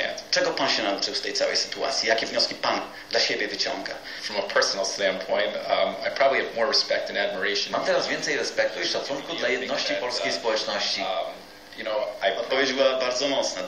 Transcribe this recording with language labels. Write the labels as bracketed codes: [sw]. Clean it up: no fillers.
[pl] Czego pan się nauczył z tej całej sytuacji? Jakie wnioski pan dla siebie wyciąga? [en] From a personal standpoint, I probably have more respect and admiration. [pl] Mam teraz więcej respektu i szacunku dla jedności polskiej społeczności. Odpowiedź była bardzo mocna.